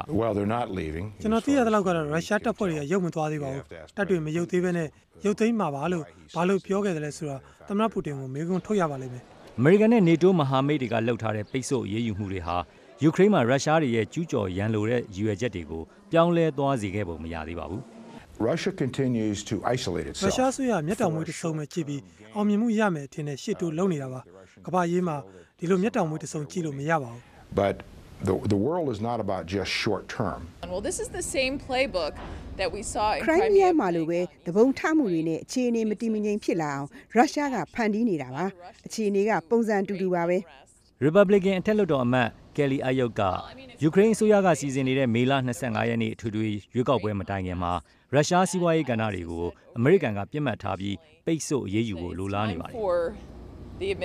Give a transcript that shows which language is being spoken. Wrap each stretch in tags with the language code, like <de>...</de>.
<my>ကျွန်တော်သိရတဲ့လောက်ကတော့ရုရှားတပ်ဖွဲ့တွေကရုတ်မသွားသေးပါဘူး။တပ်တွေမရုတ်သေးဘဲနဲ့ရုတ်သိမ်းမှာပါလို့ဘာလို့ပြောခဲ့တယ်လဲဆိုတော့သမ္မတပူတင်ကိုမေးခွန်းထုတ်ရပါလိမ့်မယ်။ အမေရိကန်နဲ့ NATO မဟာမိတ်တွေကလှုပ်ထားတဲ့ပိတ်ဆို့အရေးယူမှုတွေဟာယူကရိန်းမှာရုရှားတွေရဲ့ကျူးကျော်ရန်လိုတဲ့ရည်ရွယ်ချက်တွေကိုပြောင်းလဲသွားစေခဲ့ပုံမရသေးပါဘူး</my> <en>။ Russia continues to isolate itself.</en> <my>ရုရှားဆိုရမျက်တောင်မွေးတစ်စုံပဲကြည့်ပြီးအောင်မြင်မှုရမယ်ထင်တဲ့ရှေ့တိုးလုံနေတာပါ။ကမ္ဘာရေးမှာဒီလိုမျက်တောင်မွေးတစ်စုံကြည့်လို့မရပါဘူး</my> <en>။ But the world is not about just short term. Well, this is the same playbook. that we saw in</en> <my>Crimea မှာလိုပဲသဘုံထမှုတွေနဲ့အခြေအနေမတည်မငြိမ်ဖြစ်လာအောင်ရုရှားကဖန်တီးနေတာပါအခြေအနေကပုံစံတူတူပါပဲ Republican အထက်လွှတ်တော်အမတ် Kelly Ayotte ကယူကရိန်းအစိုးရကစီစဉ်နေတဲ့မေလ25ရက်နေ့အထွေထွေရွေးကောက်ပွဲမတိုင်ခင်မှာရုရှားစီးပွားရေးကဏ္ဍတွေကိုအမေရိကန်ကပိတ်မှတ်ထားပြီးပိတ်ဆို့အရေးယူဖို့လိုလားနေပါတယ</my>